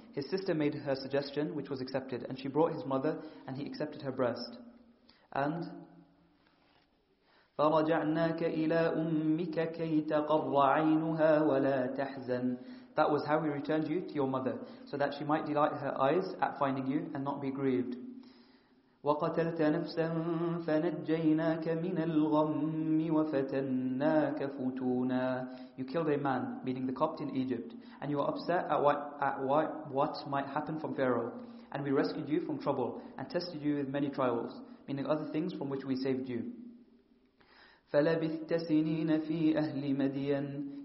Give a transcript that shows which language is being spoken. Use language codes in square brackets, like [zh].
[en] His sister made her suggestion, which was accepted, and she brought his mother, and he accepted her breast. [ar] And فَرَجَعْنَاكَ إِلَىٰ أُمِّكَ كَيْ تَقَرَّ عَيْنُهَا وَلَا تَحْزَنُ. [en] That was how we returned you to your mother, so that she might delight her eyes at finding you and not be grieved. [ar] وقتلت نفسا فنجيناك من الغم وفتناك فتونا. [en] You killed a man, meaning the Copt in Egypt, and you were upset at what might happen from Pharaoh, and we rescued you from trouble and tested you with many trials, meaning other things from which we saved you. [ar] فلبثت سنين في أهل مدين.